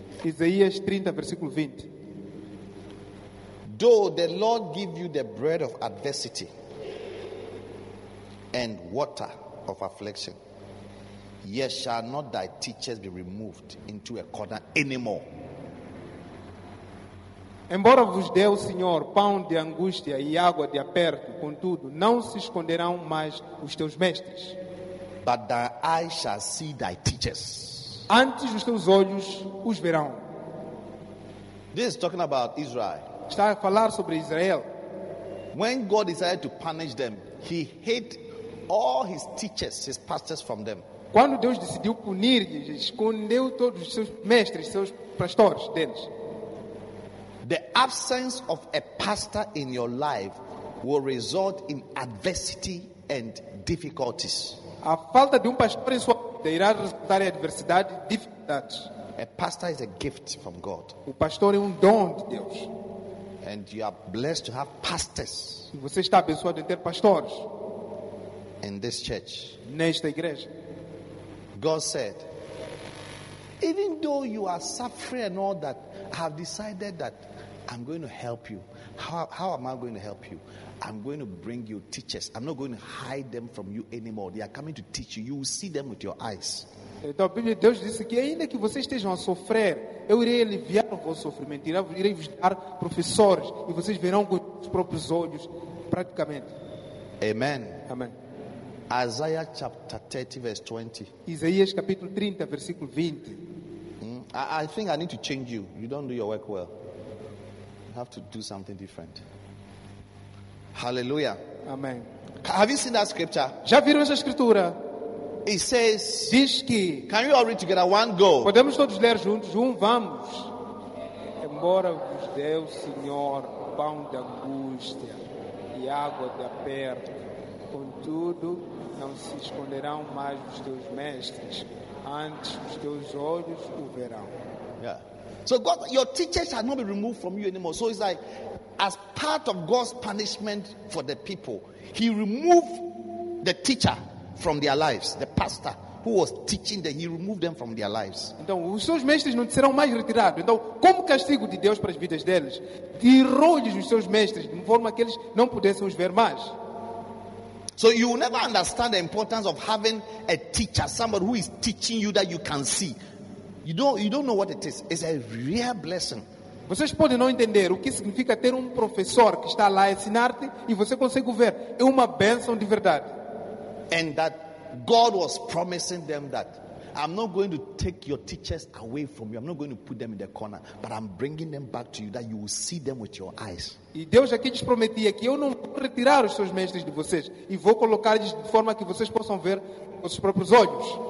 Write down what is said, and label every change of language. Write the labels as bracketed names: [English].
[Portuguese] Isaías 30, versículo 20. [English] Though the Lord give you the bread of adversity and water of affliction, yet shall not thy teachers be removed into a corner anymore. [Portuguese] Embora vos dê o Senhor pão de angústia e água de aperto, contudo, não se esconderão mais os teus mestres. [English] But thy eyes shall see thy teachers. [Portuguese] Antes os teus olhos os verão. [English] This is talking about Israel. [Portuguese] Está a falar sobre Israel. [English] When God decided to punish them, he hid all his teachers, his pastors from them. [Portuguese] Quando Deus decidiu punir-lhes, escondeu todos os seus mestres, seus pastores deles. [English] The absence of a pastor in your life will result in adversity and difficulties. [Portuguese] A falta de pastor em sua vida irá resultar em adversidade e dificuldades. [English] A pastor is a gift from God. [Portuguese] O pastor é dom de Deus. [English] And you are blessed to have pastors. [Portuguese] Você está abençoado em ter pastores. [English] In this church. [Portuguese] Nesta igreja. [English] God said, even though you are suffering and all that, I have decided that I'm going to help you. How am I going to help you? I'm going to bring you teachers. I'm not going to hide them from you anymore. They are coming to teach you. You will see them with your eyes. [Portuguese] Então, a Bíblia de Deus disse que ainda que vocês estejam a sofrer, eu irei aliviar o vosso sofrimento, irei vos dar professores e vocês verão com os próprios olhos, praticamente. [English] Amen. Amen. Isaiah chapter 30, verse 20. [Portuguese] Isaías capítulo 30, versículo 20. [English] I think I need to change you. You don't do your work well. You have to do something different. Hallelujah. Amen. Have you seen that scripture? [Portuguese] Já viram essa escritura? [English] It says, [Portuguese] diz que, [English] can we all read together? One go. [Portuguese] Podemos todos ler juntos? Vamos. Embora vos dê o Senhor pão de angústia e água de aperto, contudo, não se esconderão mais os teus mestres. Antes os teus olhos o verão. [English] Yeah. So God, your teachers shall not be removed from you anymore. So it's like, as part of God's punishment for the people, he removed the teacher from their lives, the pastor who was teaching them, he removed them from their lives. [Portuguese] Então, os seus mestres não serão mais retirados. Então, como castigo de Deus para as vidas deles, tirou-lhes os seus mestres de forma que eles não pudessem os ver mais. [English] So you will never understand the importance of having a teacher, somebody who is teaching you that you can see. You don't know what it is. It's a real blessing. [Portuguese] Vocês podem não entender o que significa ter professor que está lá a ensinar-te e você consegue ver. É uma bênção de verdade. [English] And that God was promising them that I'm not going to take your teachers away from you. I'm not going to put them in the corner, but I'm bringing them back to you that you will see them with your eyes. [Portuguese] E Deus aqui te prometia que eu não vou retirar os seus mestres de vocês e vou colocá-los de forma que vocês possam ver com os próprios olhos.